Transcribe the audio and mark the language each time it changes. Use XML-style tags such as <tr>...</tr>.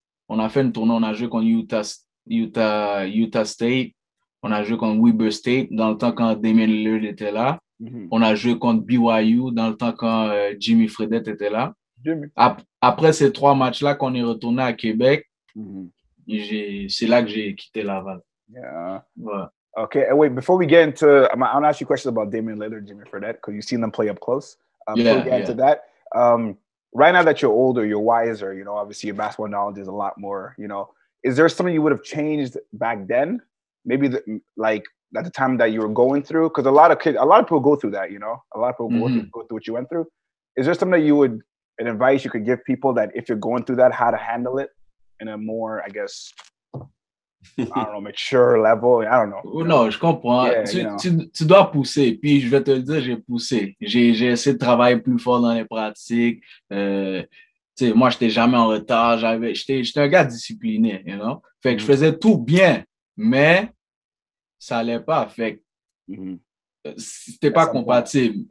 <fr>On a fait une tournée, on a joué contre Utah State. On a joué contre Weber State dans le temps quand Damian Lillard était là. Mm-hmm. On a joué contre BYU dans le temps quand Jimmy Fredette était là. Jimmy. Après ces trois matchs-là qu'on est retourné à Québec, mm-hmm. C'est là que j'ai quitté Laval.</fr> <en>Yeah. Okay. And wait, before we get into, I'm going to ask you questions about Damian Lillard, Jimmy Fredette, because you've seen them play up close. Right now that you're older, you're wiser, you know, obviously your basketball knowledge is a lot more, you know, is there something you would have changed back then? Maybe at the time that you were going through? Because a lot of people go through that, you know, a lot of people go through what you went through. Is there something that you would, an advice you could give people that if you're going through that, how to handle it in a more, I guess, mature level, I don't know.</en> <fr>Non, je comprends. Yeah, tu dois pousser. Puis je vais te le dire, j'ai poussé. J'ai essayé de travailler plus fort dans les pratiques. Tu sais, moi, j'étais jamais en retard. J'étais un gars discipliné, you know. Fait que je faisais tout bien, mais ça allait pas. Fait que c'était pas compatible.</fr>